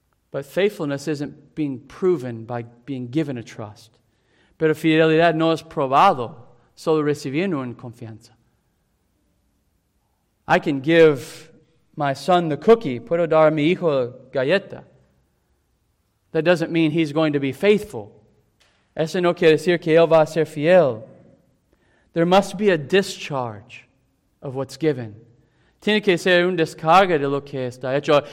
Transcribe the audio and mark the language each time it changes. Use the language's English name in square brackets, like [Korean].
[English] But faithfulness isn't being proven by being given a trust. [Spanish] Pero fidelidad no es probado solo recibiendo una confianza. [English] I can give my son the cookie. [Spanish] Puedo dar a mi hijo galleta. [English] That doesn't mean he's going to be faithful. [Spanish] Eso no quiere decir que él va a ser fiel. [English] There must be a discharge of what's given. [Spanish] Tiene que ser un descarga de lo que está hecho.